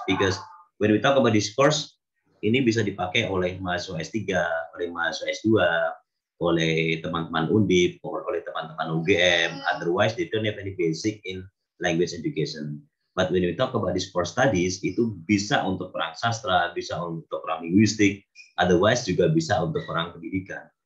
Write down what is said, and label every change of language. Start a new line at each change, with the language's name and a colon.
English: Because when we talk about discourse,
Indonesian: ini bisa dipakai oleh mahasiswa S3, oleh mahasiswa S2, oleh teman-teman UNDIP, or oleh teman-teman UGM.
English: Otherwise, they don't have any basic in language education. But when we talk about discourse studies,
Indonesian: itu bisa untuk orang sastra, bisa untuk orang linguistik, otherwise juga bisa untuk orang pendidikan.